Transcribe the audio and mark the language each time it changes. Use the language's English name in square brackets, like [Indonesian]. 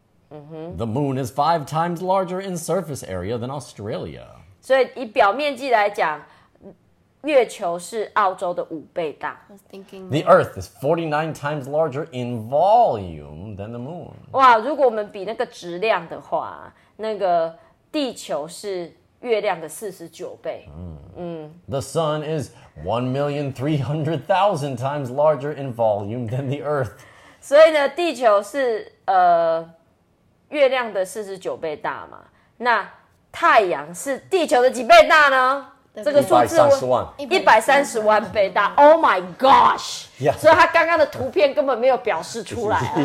[English] The moon is 5 times larger in surface area than Australia. [Chinese] 所以以表面积来讲，月球是澳洲的五倍大。 [English] The Earth is 49 times larger in volume than the moon. [Chinese] 哇，如果我们比那个质量的话，那个地球是月亮的49倍。 [English] The sun is 1,300,000 times larger in volume than the Earth. [Chinese] 所以呢，地球是月亮的49倍大嘛，那太阳是地球的几倍大呢？这个数字 130万倍大。 [English] Oh my gosh！ Yeah. [Chinese] 所以他刚刚的图片根本没有表示出来。